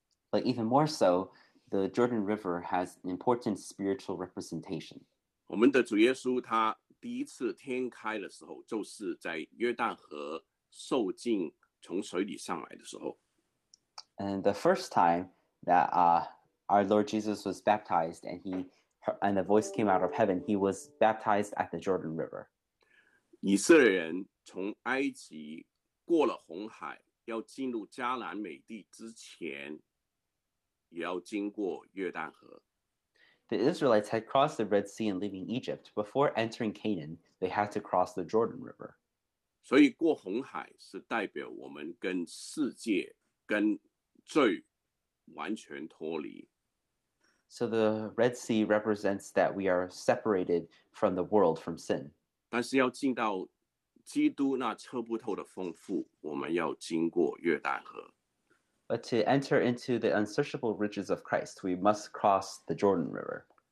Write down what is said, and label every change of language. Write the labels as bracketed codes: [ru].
[en] But even more so, the Jordan River has an important spiritual representation. [zh] 我们的主耶稣他第一次天开的时候，就是在约旦河受浸从水里上来的时候。 [en] And the first time that our Lord Jesus was baptized and the voice came out of heaven, he was baptized at the Jordan River. [zh] 以色列人从埃及过了红海要进入迦南美地之前，也要经过约旦河。 [en] The Israelites had crossed the Red Sea and leaving Egypt. Before entering Canaan, they had to cross the Jordan River. [zh] 所以过红海是代表我们跟世界、跟罪完全脱离。 [en] So the Red Sea represents that we are separated from the world, from sin. [zh] 但是要进到基督那测不透的丰富，我们要经过约旦河。 [en] But to enter into the unsearchable riches of Christ, we must cross the Jordan River.